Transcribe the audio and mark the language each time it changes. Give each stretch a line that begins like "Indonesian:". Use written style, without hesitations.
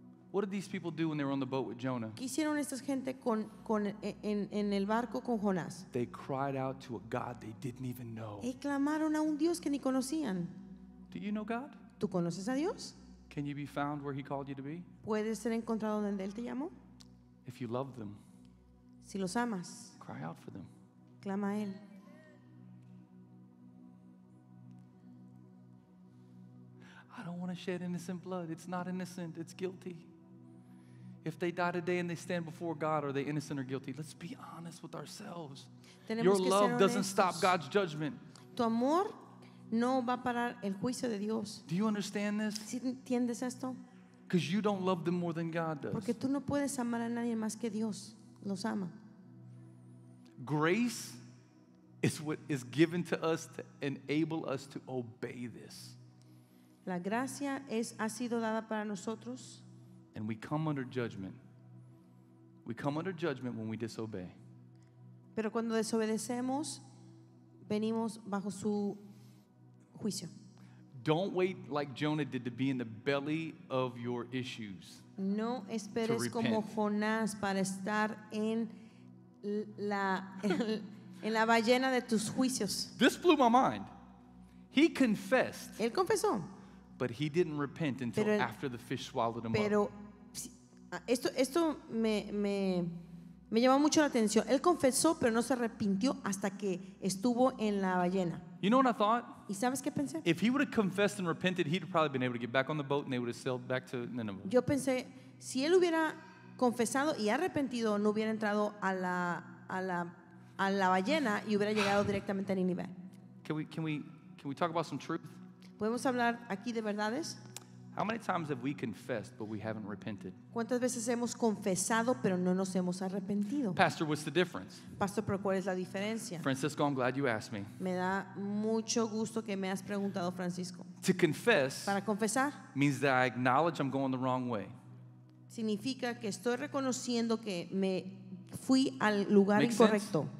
English: What did these people do when they were on the boat with Jonah?
Spanish: ¿Qué hicieron estas gente en el barco con Jonás?
English: They cried out to a God they didn't even know.
Spanish: Y clamaron a un Dios que ni conocían.
English: Do you know God?
Spanish: ¿Tú conoces a Dios?
English: Can you be found where he called you to be?
Spanish: ¿Puedes ser encontrado donde él te llamó?
English: If you love them.
Spanish: Si los amas.
English: Cry out for them.
Spanish: Clama a él.
English: I don't want to shed innocent blood. It's not innocent. It's guilty. If they die today and they stand before God, are they innocent or guilty? Let's be honest with ourselves.
Spanish: Tenemos
English: Your love
Spanish: honestos.
English: Doesn't stop God's judgment.
Spanish: Tu amor no va a parar el juicio de Dios.
English: Do you understand this?
Spanish: ¿Sí entiendes esto?
English: Because you don't love them more than God does.
Spanish: Porque tú no puedes amar a nadie más que Dios. Los ama.
English: Grace is what is given to us to enable us to obey this.
Spanish: La gracia es, ha sido dada para nosotros.
English: And we come under judgment. We come under judgment when we disobey.
Spanish: Pero cuando desobedecemos, venimos bajo su juicio.
English: Don't wait like Jonah did to be in the belly of your issues.
Spanish: No esperes como Jonás para estar en la ballena de tus juicios.
English: This blew my mind. He confessed.
Spanish: Él confesó.
English: But he didn't repent until after the fish swallowed him up.
Spanish: Pero esto me llamó mucho la atención. Él confesó, pero no se arrepintió hasta que estuvo en la ballena.
English: You know what I thought?
Spanish: ¿Y sabes qué pensé?
English: If he would have confessed and repented, he'd probably been able to get back on the boat and they would have sailed back to Nineveh.
Spanish: Yo pensé, si él hubiera confesado y arrepentido, no hubiera entrado a la ballena y hubiera llegado directamente a Nínive.
English: Can we talk about some truth?
Spanish: ¿Podemos hablar aquí de verdades?
English: How many times have we confessed but we haven't repented?
Spanish: ¿Cuántas veces hemos confesado pero no nos hemos arrepentido?
English: Pastor, what's the difference?
Spanish: Pastor, ¿pero cuál es la diferencia?
English: Francisco, I'm glad you asked me.
Spanish: Me da mucho gusto que me has preguntado, Francisco.
English: To confess,
Spanish: para confesar,
English: means that I acknowledge I'm going the wrong way.
Spanish: Significa que estoy reconociendo que me fui al lugar incorrecto.